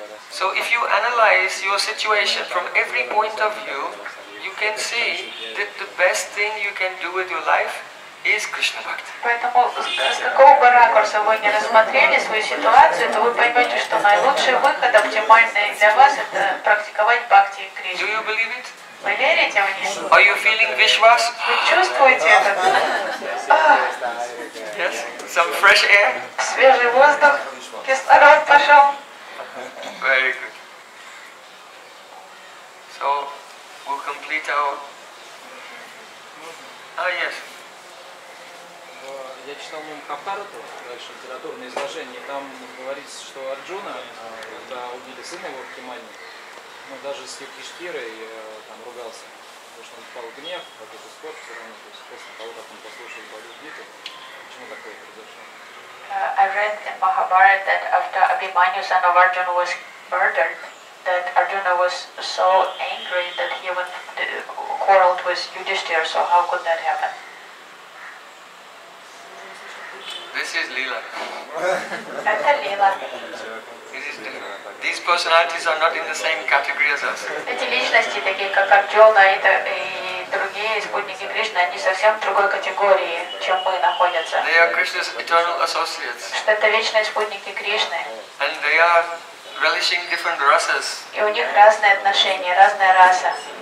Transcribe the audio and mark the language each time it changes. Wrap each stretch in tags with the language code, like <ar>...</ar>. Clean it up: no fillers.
<en>So if you analyze your situation from every point of view, you can see that the best thing you can do with your life is Krishna Bhakti.</en> <ru>Поэтому с какого бы ракурса вы не рассмотрели свою ситуацию, то вы поймете, что наилучший выход, оптимальный для вас, это практиковать бхакти Кришна.</ru> <en>Do you believe it?</en> <ru>Вы верите в него?</ru> <en>Are you feeling visvas?</en> <ru>Вы чувствуете это?</ru> <en>Yes. Some fresh air.</en> <ru>Свежий воздух. Кислород пошел.</ru> <en>Very good. So we'll complete our. Yes.</en> <ru>Я читал Махабхарату, дальше литературное изложение, там говорится, что Арджуна, когда убили сына его в Кимане, ну, даже с Юдхиштхирой там ругался, потому что он впал в гнев, как это спор, все равно, то есть после того, как он послушал Бхагавад-Гиту, почему такое произошло?</ru> <en>I read in Mahabharata that after Abhimanyu, son of Arjuna, was murdered, that Arjuna was so angry that he even quarreled with Yudhishthira, so how could that happen? This is Leela. That's Leela. This is different. These personalities are not in the same category as us.</en> <ru>Эти личности такие как Арджуна и другие спутники Кришны, они совсем в другой категории, чем мы находимся.</ru> <en>They are Krishna's eternal associates.</en> <ru>Что это вечные спутники Кришны.</ru> <en>And they are relishing different rasas.</en> <ru>И у них разные отношения, разная раса.</ru>